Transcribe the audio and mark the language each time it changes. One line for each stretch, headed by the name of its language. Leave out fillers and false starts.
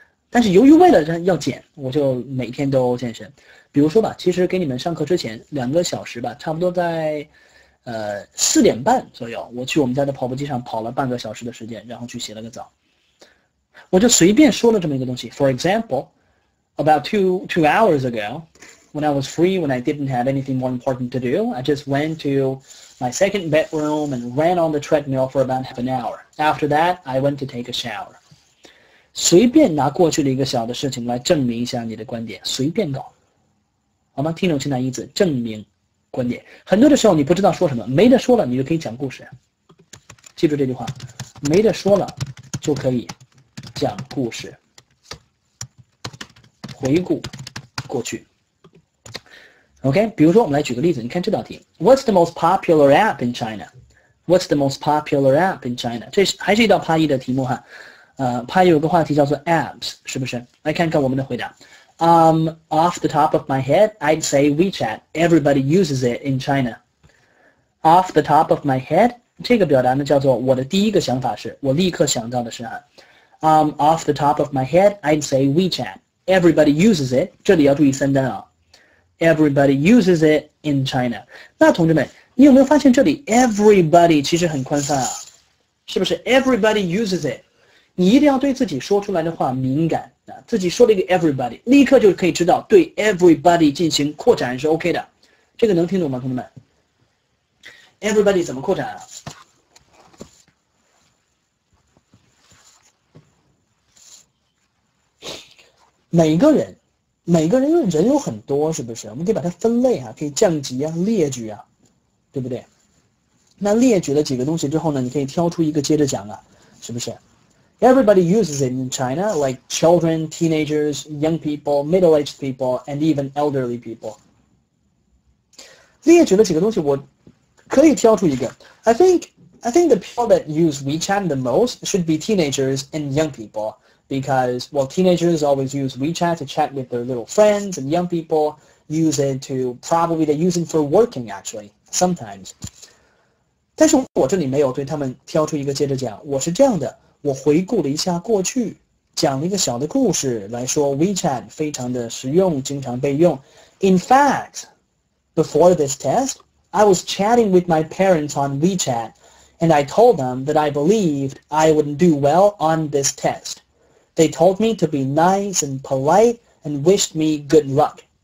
Chinese: 但是由于为了要减，我就每天都健身。比如说吧，其实给你们上课之前两个小时吧，差不多在四点半左右，我去我们家的跑步机上跑了半个小时的时间，然后去洗了个澡。我就随便说了这么一个东西。
English: For example, about two hours ago, when I was free, when I didn't have anything more important to do, I just went to my second bedroom and ran on the treadmill for about half an hour. After that, I went to take a shower.
Chinese: 随便拿过去的一个小的事情来证明一下你的观点，随便搞，好吗？听懂清单一字，证明观点。很多的时候你不知道说什么，没得说了你就可以讲故事，记住这句话，没得说了就可以讲故事。回顾过去。OK, 比如说我们来举个例子，你看这道题，
English: What's the most popular app in China? What's the most popular app in China?
Chinese: 这还是一道趴一的题目哈，拍有个话题叫做 apps, 是不是？来看看我们的回答。
English: Off the top of my head, I'd say WeChat. Everybody uses it in China. Off the top of my head,
Chinese: 这个表达呢叫做我的第一个想法是，我立刻想到的是啊。
English: Off the top of my head, I'd say WeChat. Everybody uses it.
Chinese: 这里要注意三单啊。
English: Everybody uses it in China.
Chinese: 那同志们，你有没有发现这里 everybody 其实很宽泛啊？是不是 everybody uses it? 你一定要对自己说出来的话敏感啊！自己说了一个 everybody, 立刻就可以知道对 everybody 进行扩展是 OK 的，这个能听懂吗，同志们？ everybody 怎么扩展啊？每个人因为人有很多，是不是？我们可以把它分类啊，可以降级啊，列举啊，对不对？那列举了几个东西之后呢，你可以挑出一个接着讲啊，是不是？
English: Everybody uses it in China, like children, teenagers, young people, middle-aged people, and even elderly people.
Chinese: 列举了几个东西，我可以挑出一个。
English: I think I think the people that use WeChat the most should be teenagers and young people. Because, well, teenagers always use WeChat to chat with their little friends, and young people use it to, probably they use it for working, actually, sometimes.
Chinese: 但是我这里没有对他们挑出一个接着讲，我是这样的，我回顾了一下过去，讲了一个小的故事来说 WeChat 非常的实用，经常被用。
English: In fact, before this test, I was chatting with my parents on WeChat, and I told them that I believed I would do well on this test. They told me to be nice and polite and wished me good luck.